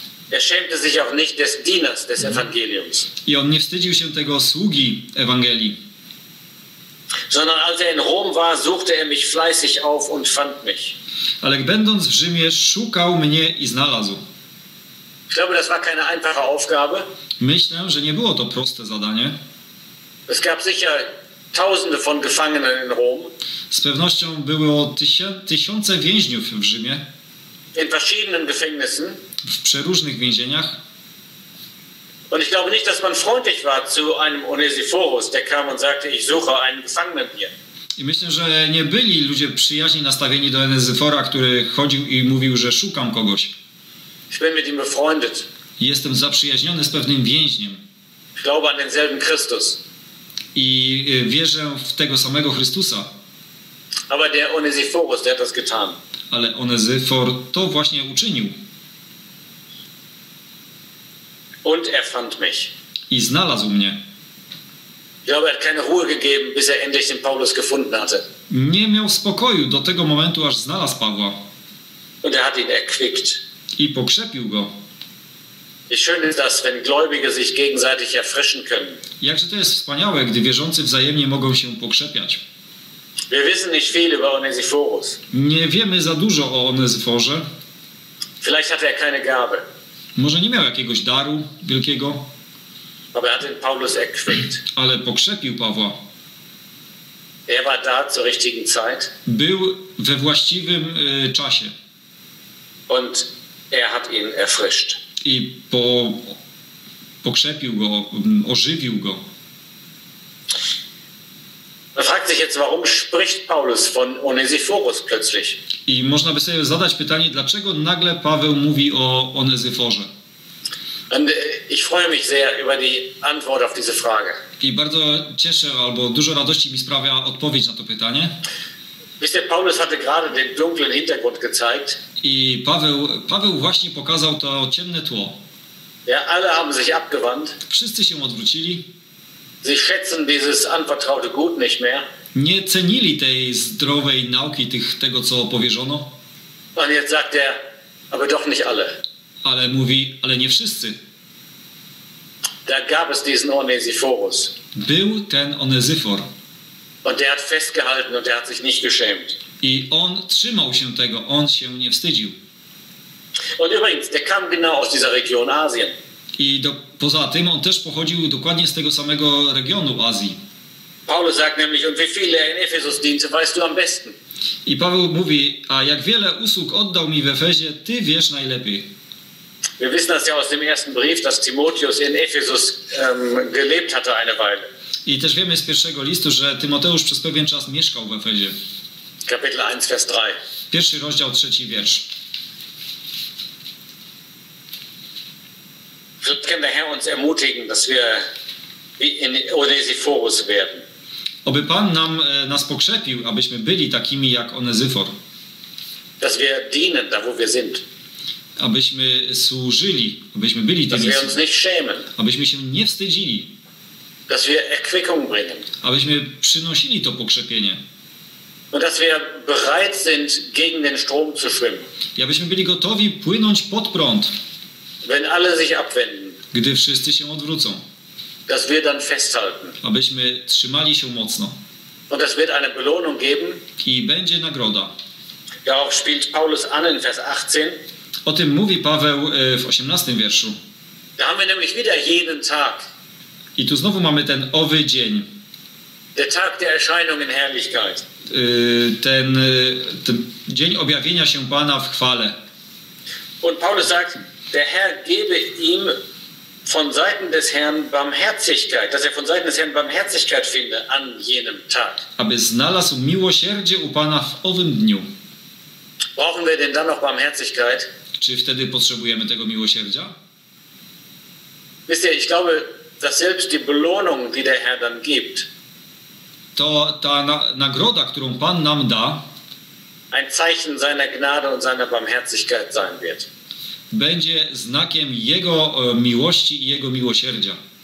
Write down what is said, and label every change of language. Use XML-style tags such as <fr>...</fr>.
<de>Er schämte sich auch nicht des Dieners des Evangeliums.</de> <pl>I on nie wstydził się tego sługi Ewangelii.</pl> <de>Sondern als er in Rom war, suchte er mich fleißig auf und fand mich.</de> <pl>Ale będąc w Rzymie, szukał mnie i znalazł.</pl> <de>Ich glaube, das war keine einfache Aufgabe.</de> <pl>Myślę, że nie było to proste zadanie.</pl> <de>Es gab sicher tausende von Gefangenen in Rom.</de> <pl>Z pewnością było tysiące więźniów w Rzymie.</pl> <de>In verschiedenen Gefängnissen.</de> <pl>W przeróżnych więzieniach.</pl> <de>Und ich glaube nicht, dass man freundlich war zu einem Onesiphorus, der kam und sagte, ich suche einen Gefangenen hier.</de> <pl>I myślę, że nie byli ludzie przyjaźni nastawieni do Onesiphora, który chodził i mówił, że szukam kogoś.</pl> <de>Ich bin mit ihm befreundet.</de> <pl>Jestem zaprzyjaźniony z pewnym więźniem.</pl> <de>Ich glaube an denselben Christus.</de> <pl>I wierzę w tego samego Chrystusa.</pl> <de>Aber der Onesiphorus, der hat das getan.</de> <pl>Ale Onesyfor to właśnie uczynił.</pl> <de>Und er fand mich.</de> <pl>I znalazł mnie.</pl> <de>Ich glaube, er hat keine Ruhe gegeben, bis er endlich den Paulus gefunden hatte.</de> <pl>Nie miał spokoju do tego momentu, aż znalazł Pawła.</pl> <de>Und er hat ihn erquickt.</de> <pl>I pokrzepił go.</pl> <de>Wie schön ist das, wenn Gläubige sich gegenseitig erfrischen können.</de> <pl>Jakże to jest wspaniałe, gdy wierzący wzajemnie mogą się pokrzepiać.</pl> <de>Wir wissen nicht viel über Onesiphorus.</de> <pl>Nie wiemy za dużo o Onesiphorze.</pl> <de>Vielleicht hatte er keine Gabe.</de> <pl>Może nie miał jakiegoś daru wielkiego.</pl> <de>Aber er hat den Paulus erquickt.</de> <pl>Ale pokrzepił Pawła.</pl> <de>Er war da zur richtigen Zeit.</de> <pl>Był we właściwym czasie.</pl> <de>Und er hat ihn erfrischt.</de> <pl>I pokrzepił go, ożywił go.</pl> <de>Man fragt sich jetzt, warum spricht Paulus von Onesiphorus plötzlich?</de> <pl>I można by sobie zadać pytanie, dlaczego nagle Paweł mówi o Onesiphorze?</pl> <de>Und ich freue mich sehr über die Antwort auf diese Frage.</de> <pl>I bardzo cieszę, albo dużo radości mi sprawia odpowiedź na to pytanie.</pl> <de>Wisst ihr, Paulus hatte gerade den dunklen Hintergrund gezeigt.</de> <pl>I Paweł właśnie pokazał to ciemne tło.</pl> <de>Ja, alle haben sich abgewandt.</de> <pl>Wszyscy się odwrócili.</pl> <de>Sie schätzen dieses anvertraute Gut nicht mehr.</de> <pl>Nie cenili tej zdrowej nauki, tego co powierzono.</pl> <de>Und jetzt sagt er, aber doch nicht alle.</de> <pl>Ale mówi, ale nie wszyscy.</pl> <de>Da gab es diesen Onesiphorus.</de> <pl>Był ten Onesiphor.</pl> <de>Und der hat festgehalten und der hat sich nicht geschämt.</de> <pl>I on trzymał się tego, on się nie wstydził.</pl> <de>Und übrigens, der kam genau aus dieser Region Asien.</de> <pl>I poza tym on też pochodził dokładnie z tego samego regionu Azji.</pl> <de>Paulus sagt nämlich, und wie viele in Ephesus diente, weißt du am besten.</de> <pl>I Paweł mówi, a jak wiele usług oddał mi w Efezie, ty wiesz najlepiej.</pl> <de>Wir wissen das ja aus dem ersten Brief, dass Timotheus in Ephesus gelebt hatte eine Weile.</de> <pl>I też wiemy z pierwszego listu, że Tymoteusz przez pewien czas mieszkał w Efezie.</pl> <de>Kapitel 1, Vers 3.</de> <pl>Pierwszy rozdział, trzeci wiersz.</pl> <de>Vielleicht kann der Herr uns ermutigen, dass wir in Onesiphorus werden.</de> <pl>Oby Pan nam nas pokrzepił, abyśmy byli takimi jak Onezyfor.</pl> <de>Dass wir dienen, da wo wir sind.</de> <pl>Abyśmy służyli, abyśmy byli tymi.</pl> <de>Dass wir uns nicht schämen.</de> <pl>Abyśmy się nie wstydzili.</pl> <de>Dass wir Erquickung bringen.</de> <pl>Abyśmy przynosili to pokrzepienie.</pl> <de>Und dass wir bereit sind, gegen den Strom zu schwimmen.</de> <pl>I abyśmy byli gotowi płynąć pod prąd.</pl> <de>Wenn alle sich abwenden.</de> <pl>Gdy wszyscy się odwrócą.</pl> <de>Dass wir dann festhalten.</de> <pl>Abyśmy trzymali się mocno.</pl> <de>Und es wird eine Belohnung geben.</de> <pl>I będzie nagroda.</pl> <de>Ja, auch spielt Paulus an in Vers 18.</de> <pl>O tym mówi Paweł w 18 wierszu.</pl> <de>Da haben wir nämlich wieder jeden Tag.</de> <pl>I tu znowu mamy ten owy dzień.</pl> <de>Der Tag der Erscheinung in Herrlichkeit.</de> <pl>Ten dzień objawienia się Pana w chwale.</pl> <de>Und Paulus sagt, der Herr gebe ihm von Seiten des Herrn Barmherzigkeit, dass er von Seiten des Herrn Barmherzigkeit finde an jenem Tag.</de> <pl>Aby znalazł miłosierdzie u Pana w owym dniu.</pl> <de>Brauchen wir denn dann noch Barmherzigkeit?</de> <pl>Czy wtedy potrzebujemy tego miłosierdzia?</pl> <de>Wisst ihr, ich glaube, dass selbst die Belohnung, die der Herr dann gibt,</de> <pl>to ta nagroda, którą Pan nam da,</pl> <de>ein Zeichen seiner Gnade und seiner Barmherzigkeit sein wird.</de> <pl>Będzie znakiem Jego miłości i Jego miłosierdzia.</pl>